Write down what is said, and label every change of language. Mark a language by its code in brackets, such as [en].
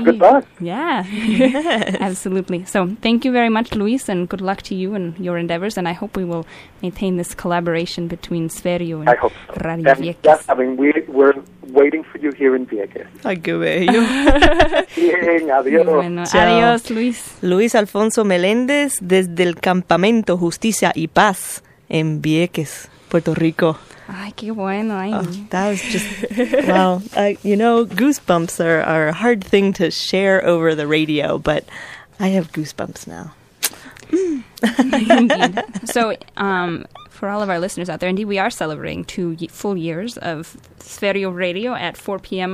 [en] Good luck. Yeah. Yes. Absolutely. So thank you very much, Luis, and good luck to you and your endeavors. And I hope we will maintain this collaboration between Sverio and Radio Vieques. Yes, I mean, we're waiting for you here in Vieques. [es] Ay, qué bello. Bien, adiós. Bueno, adiós, Luis. Luis Alfonso Meléndez, desde el Campamento Justicia y Paz en Vieques, Puerto Rico. Ay, qué bueno. Ay. [en] Oh, that was just, wow. You know, goosebumps are a hard thing to share over the radio, but I have goosebumps now. Indeed. So, for all of our listeners out there, indeed, we are celebrating 2 full years of Sverio Radio at 4 p.m.